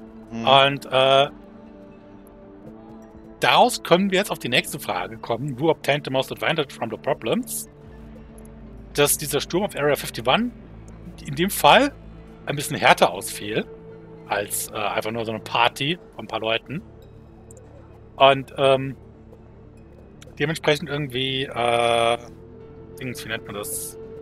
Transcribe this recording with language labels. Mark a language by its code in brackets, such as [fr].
[de] Und daraus können wir jetzt auf die nächste Frage kommen. [en] Who obtained the most advantage from the problems? [de] Dass dieser Sturm auf Area 51 in dem Fall ein bisschen härter ausfiel als einfach nur so eine Party von ein paar Leuten. Und dementsprechend irgendwie wie nennt man das?